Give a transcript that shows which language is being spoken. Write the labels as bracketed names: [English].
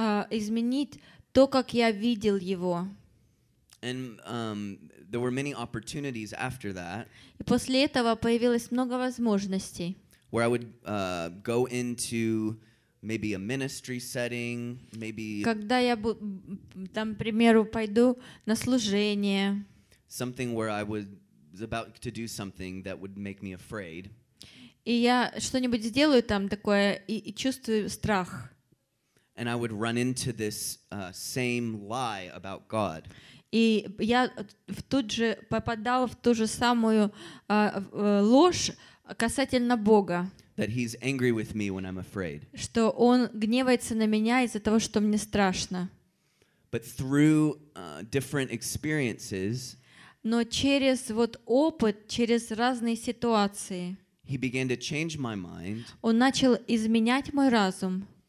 [Russian] Изменить то, как я видел Его. [English] And there were many opportunities after that. [Russian] И после этого появилось много возможностей. [English] Where I would go into maybe a ministry setting, maybe. [Russian] Когда я там, к примеру, пойду на служение. [English] Something where I was about to do something that would make me afraid. [Russian] И я что-нибудь сделаю там такое и чувствую страх. [English] And I would run into this same lie about God. [Russian] И я тут же попадал в ту же самую ложь касательно Бога. [English] That He's angry with me when I'm afraid. [Russian] Что Он гневается на меня из-за того, что мне страшно. [English] But through different experiences. [Russian] Но через вот опыт, через разные ситуации. [English] He began to change my mind. [Russian] Он начал изменять мой разум.